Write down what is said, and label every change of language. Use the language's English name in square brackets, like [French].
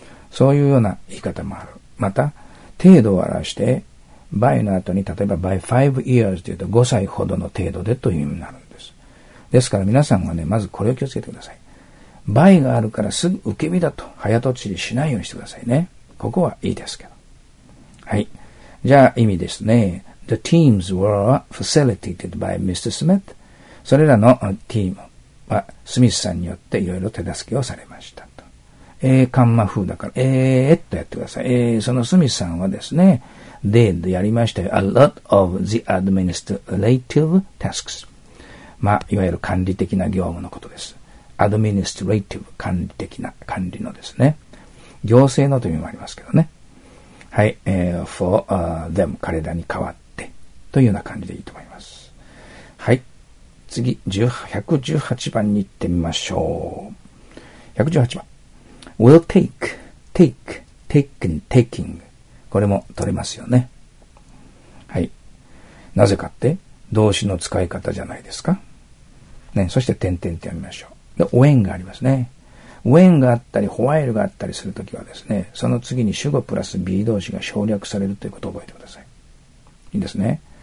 [Japanese] そういうような言い方もある。また、程度を表して、by の後に、例えば by 5 years というと5歳ほどの程度でという意味になるんです。ですから皆さんはね、まずこれを気をつけてください。by があるからすぐ受け身だと早とちりしないようにしてくださいね。ここはいいですけど。はい。じゃあ意味ですね。 [English] The teams were facilitated by Mr. Smith. [Japanese] それらのチームはスミスさんによっていろいろ手助けをされましたと。カンマ風だから、っとやってください。そのスミスさんはですね、did やりましたよ。 [English] A lot of the administrative tasks。 [Japanese] まあ、いわゆる管理的な業務のことです。administrative、管理的な、管理のですね。行政のという意味もありますけどね。はい。 for them、彼らに代わって。というような感じでいいと思います。はい。次、118番に行ってみましょう。 118番。 [English] will take, take, taken, taking. [Japanese] これも取れますよね。はい。なぜかって、動詞の使い方じゃないですか。ね、そして、点々って読みましょう。で、when がありますね。when があったり、while があったりするときはですね、その次に主語プラス be 動詞が省略されるということを覚えてください。いいですね。